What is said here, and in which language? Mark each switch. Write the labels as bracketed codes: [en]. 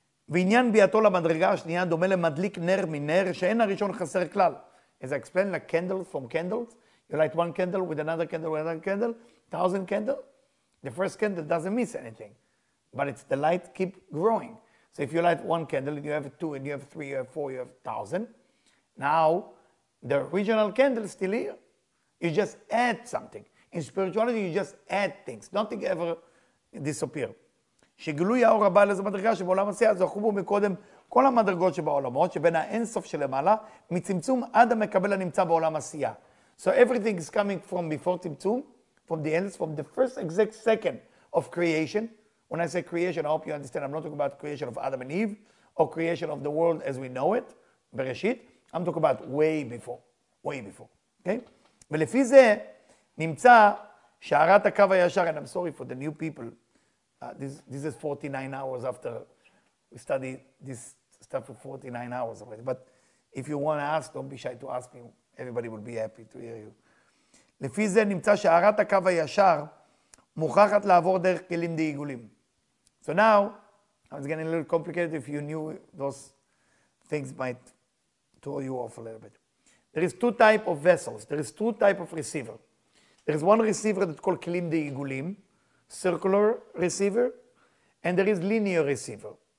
[he] ועניין ביאתו למדרגה השנייה דומה למדליק נר מנר שאין הראשון חסר כלל. [en] As I explained, like candles from candles, you light one candle with another candle with another candle, 1,000 candles, the first candle doesn't miss anything, but it's the light keep growing. So if you light one candle and you have two and you have three, you have four, you have 1,000, now the original candle is still here. You just add something. In spirituality, you just add things. Nothing ever disappears. [he] שגילוי האור הבא לזה מדרגה שבעולם עשייה זכו בו מקודם כל המדרגות שבעולמות שבין האינסוף שלמעלה מצמצום עד המקבל הנמצא בעולם עשייה. [en] So everything is coming from before צמצום, from the endless, from the first exact second of creation. When I say creation, I hope you understand, I'm not talking about creation of Adam and Eve or creation of the world as we know it, בראשית. I'm talking about way before, way before. Okay? [he] ולפי זה נמצא שערת הקו הישר, [en] and I'm sorry for the new people, this is 49 hours after we study this stuff for 49 hours already. But if you want to ask, don't be shy to ask me. Everybody will be happy to hear you. [he] לפי זה נמצא שערת הקו הישר מוכרחת לעבור דרך כלים דעיגולים. [en] So now, it's getting a little complicated if you knew those things might throw you off a little bit. There is two types of vessels. There is two types of receiver. There is one receiver that's called כלים דעיגולים. Circular receiver, and there is linear receiver.